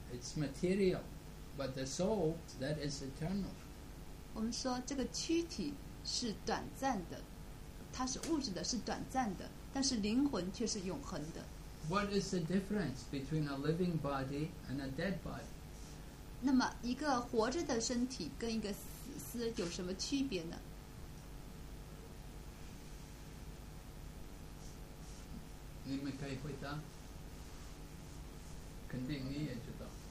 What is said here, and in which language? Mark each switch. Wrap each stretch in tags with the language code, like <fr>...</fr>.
<en>It's material, but the soul that is eternal.</en> <zh>我们说这个躯体是短暂的。它是物质的，是短暂的，但是灵魂却是永恒的。</zh> <en>What is the difference between a living body and a dead body?</en> <zh>那么一个活着的身体跟一个死尸有什么区别呢？？你们可以回答，肯定你也知道。</zh>